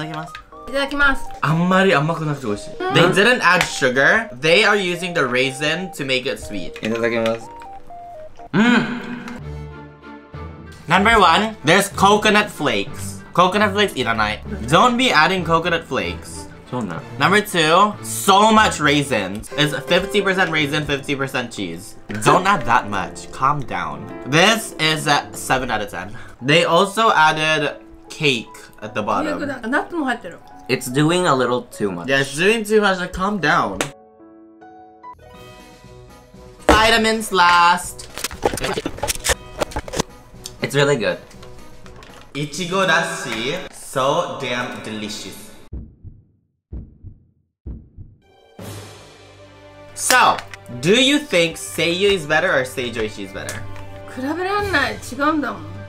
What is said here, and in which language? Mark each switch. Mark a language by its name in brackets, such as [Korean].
[Japanese] なんでこんないっぱいレーズンが入って。いただきます。いただきます。あんまり甘くなくて美味しい。 [English] They didn't add sugar. They are using the raisin to make it sweet. [Japanese] いただきます。 [English] Number one, there's coconut flakes. Coconut flakes [Japanese] いらない。 [English] Don't be adding coconut flakes. Number two, so much raisins. It's 50% raisin, 50% cheese. Don't add that much. Calm down. This is a 7 out of 10. They also added cake at the bottom. It's doing a little too much. Yeah, it's doing too much. Like, calm down. Vitamins last. It's really good. Ichigo dashi. So damn delicious. So, do you think Seijyo is better or Seijyo Ishii is better? [Japanese] 比べられない、違うんだもん。